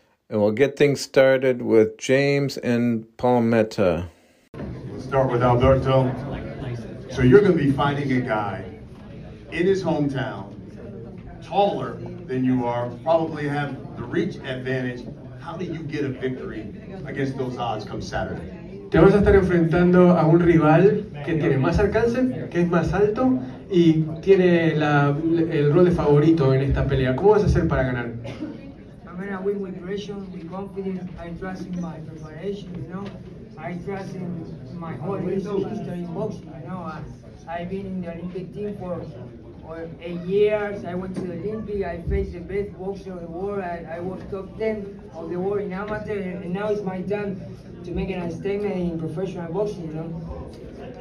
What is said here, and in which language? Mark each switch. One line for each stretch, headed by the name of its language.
English: And we'll get things started with James and Palmetta. We'll start with Alberto. So you're going to be fighting a guy in his hometown, taller than you are, probably have the reach advantage. How do you get a victory against those odds come Saturday?
Spanish: Te vas a estar enfrentando a un rival que tiene más alcance, que es más alto y tiene el rol de favorito en esta pelea. ¿Cómo vas a hacer para ganar?
English: I win with pressure, with confidence. I trust in my preparation, you know. I trust in my whole history in boxing. You know, I've been in the Olympic team for 8 years. I went to the Olympic. I faced the best boxer in the world. I was top 10 of the world in amateur, and now it's my time to make a statement in professional boxing, you know.